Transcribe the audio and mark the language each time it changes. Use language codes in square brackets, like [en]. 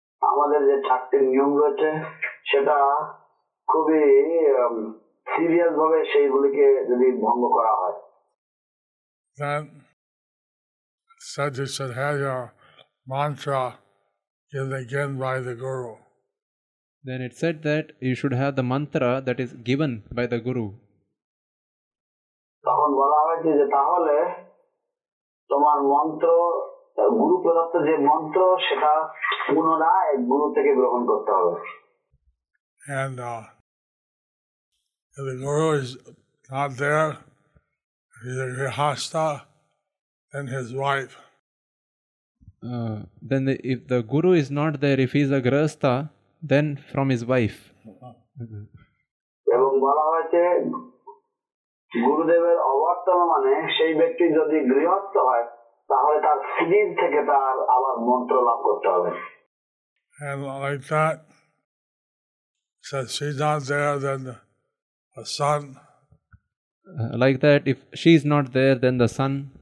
[bn] আমাদের যে চারটি নিয়ম রয়েছে সেটা খুবই সিরিয়াস ভাবে সেইগুলিকে যদি ভঙ্গ করা হয়. [en] Then, said you should have your mantra given again by the guru. Then it said that you should have the mantra that is given by the guru. [bn] তখন বলা হয়েছে যে তাহলে তোমার মন্ত্র গুরু প্রদত্ত যে মন্ত্র সেটা পুনরায় গুরু থেকে গ্রহণ করতে হবে. [en] And if the guru is not there, if he's a grihastha, then his wife. Then the, if the guru is not there, if he's a grihastha, then from his wife. [bn] এবং বলা হয়েছে গুরুদেবের অবর্তন মানে সেই ব্যক্তি যদি গৃহস্থ হয় তাহলে তার স্ত্রীর থেকে তার আবার মন্ত্র লাভ করতে হবে. [en] And like that, so she's not there, then the son. Like that, if she's not there, then the son.